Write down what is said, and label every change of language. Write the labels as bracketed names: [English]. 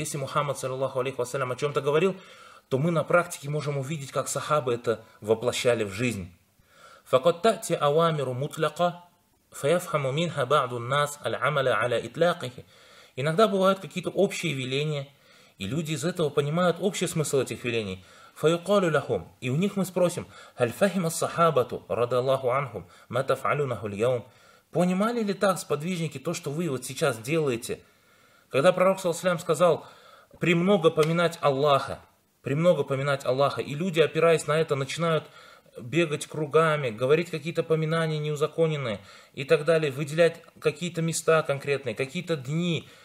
[Russian] Если Мухаммад саллаллаху алейхи вассалям о чем-то говорил, то мы на практике можем увидеть, как сахабы это воплощали в жизнь. [Arabic] فَقَدْ تَأْتِي أَوَامِرُ مُطْلَقَةً فَيَفْحَمُ مِنْهَ بَعْضُ النَّاسِ الْعَمَلَ عَلَى إِطْلَاقِهِ. [Russian] Иногда бывают какие-то общие веления, и люди из этого понимают общий смысл этих велений. [Arabic] فَيُقَالُ لَهُمْ, [Russian] и у них мы спросим: [Arabic] هَلْ فَهِمَ الصَّحَابَةُ رَضِيَ اللَّهُ عَنْهُمْ مَا تَفْعَلُونَهُ الْيَوْمَ. [Russian] Понимали ли так сподвижники то, что вы вот сейчас делаете? Когда пророк саллям сказал: «Премного поминать Аллаха, премного поминать Аллаха», и люди, опираясь на это, начинают бегать кругами, говорить какие-то поминания неузаконенные и так далее, выделять какие-то места конкретные, какие-то дни.